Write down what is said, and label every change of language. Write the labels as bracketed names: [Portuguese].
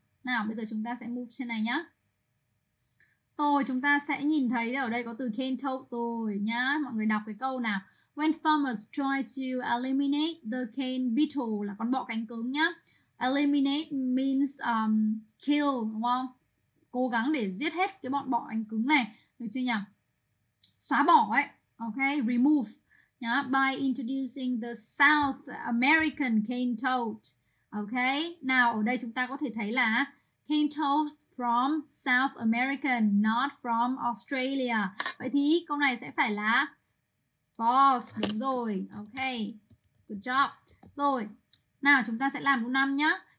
[Vietnamese] Nào bây giờ chúng ta sẽ move trên này nhá. Rồi chúng ta sẽ nhìn thấy ở đây có từ cane toad rồi nhá. Mọi người đọc cái câu nào. [English] When farmers try to eliminate the cane beetle, [Vietnamese] là con bọ cánh cứng nhá. [English] Eliminate means kill [Vietnamese] đúng không? Cố gắng để giết hết cái bọn bọ cánh cứng này, được chưa nhỉ? Xóa bỏ ấy. [English] Ok, remove [Vietnamese] nhá, [English] by introducing the South American cane toad. Ok, [Vietnamese] nào ở đây chúng ta có thể thấy là [English] cane toad from South America, not from Australia. [Vietnamese] Vậy thì câu này sẽ phải là false, đúng rồi. [English] Ok, good job. [Vietnamese] Rồi, nào chúng ta sẽ làm câu 5 nhá.